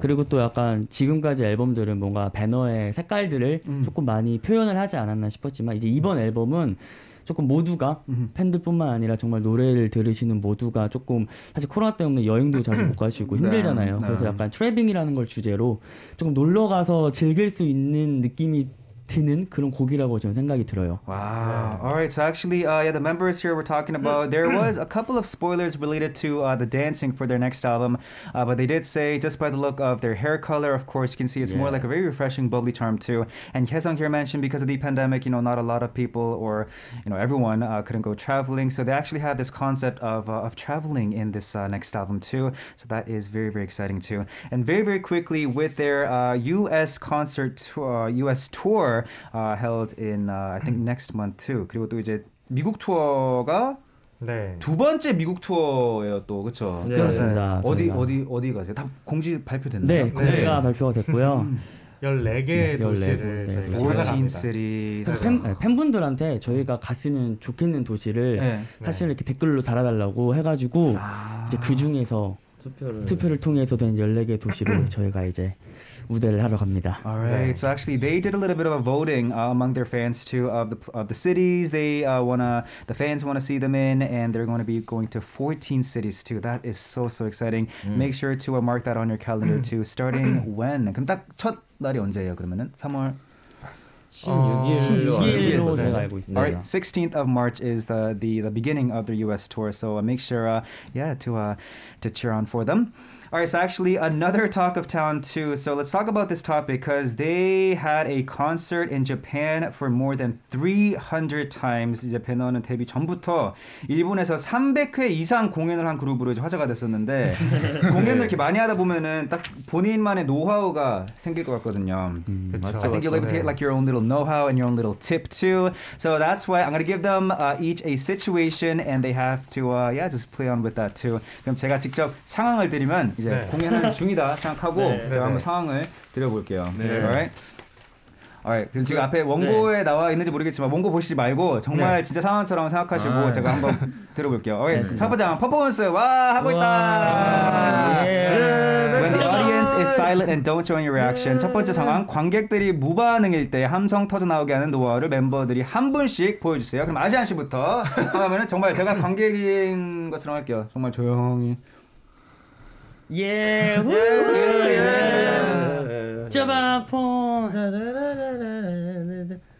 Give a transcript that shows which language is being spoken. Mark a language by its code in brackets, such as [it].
[ko] 그리고 또 약간 지금까지 앨범들은 뭔가 배너의 색깔들을 조금 많이 표현을 하지 않았나 싶었지만 이제 이번 앨범은 조금 모두가 팬들뿐만 아니라 정말 노래를 들으시는 모두가 조금 사실 코로나 때문에 여행도 자주 못 가시고 힘들잖아요. 네. 그래서 약간 트래빙이라는 걸 주제로 조금 놀러 가서 즐길 수 있는 느낌이 드는 그런 곡이라고 저는 생각이 들어요. 와. Wow. [en] All right. So actually yeah, the members here were talking about there was a couple of spoilers related to the dancing for their next album. But they did say just by the look of their hair color, of course, you can see it's yes. more like a very refreshing bubbly charm too. And Hyesung here mentioned because of the pandemic, you know, not a lot of people or, you know, everyone couldn't go traveling. So they actually have this concept of traveling in this next album too. So that is very very exciting too. And very very quickly with their US concert US tour held in I think next month too. [ko] 그리고 또 이제 미국 투어가 네. 두 번째 미국 투어예요 또 그렇죠? 네. 그렇습니다. 어디 가세요? 다 공지 발표됐나요? 네, 공지가 네. 발표가 됐고요. 14개의 도시를 14개 네. 팬분들한테 저희가 갔으면 좋겠는 도시를 네. 사실 네. 이렇게 댓글로 달아달라고 해가지고 아~ 이제 그 중에서 투표를 통해서 된 14개 도시로 저희가 이제 무대를 하러 갑니다. [en] All right. So actually, they did a little bit of a voting among their fans too of the cities they wanna the fans wanna see them in, and they're going to be going to 14 cities too. That is so so exciting. Make sure to mark that on your calendar too. Starting when? [ko] 그럼 딱 첫 날이 언제예요? 그러면은 3월 16일로 [en] right, 16th of March is the beginning of their US tour, so make sure to cheer on for them. All right, so actually another talk of town too. So let's talk about this topic because they had a concert in Japan for more than 300 times. [ko] 이제 배너는 데뷔 전부터 일본에서 300회 이상 공연을 한 그룹으로 이제 화제가 됐었는데 공연을 이렇게 많이 하다 보면은 딱 본인만의 노하우가 생길 것 같거든요. 그렇죠. [en] I think you'll be able to get like your own little know-how and your own little tip too. So that's why I'm going to give them each a situation and they have to just play on with that too. [ko] 그럼 제가 직접 상황을 드리면 이제 네. 공연을 중이다 생각하고 네. 제가 네. 한번 상황을 드려볼게요. 네. [en] Alright. [ko] 그럼 지금 앞에 원고에 네. 나와 있는지 모르겠지만 원고 보시지 말고 정말 네. 진짜 상황처럼 생각하시고 아. 제가 한번 들어볼게요. 오케이. 파파장 네. 퍼포먼스 와 하고 와. 있다. 예. [en] When the audience is silent and don't join your reaction. [ko] 예. 첫 번째 상황 관객들이 무반응일 때 함성 터져 나오게 하는 노하우를 멤버들이 한 분씩 보여주세요. 그럼 아시안 씨부터 하면은 정말 제가 관객인 것처럼 할게요. 정말 조용히. 예, 후예, 짜바폰,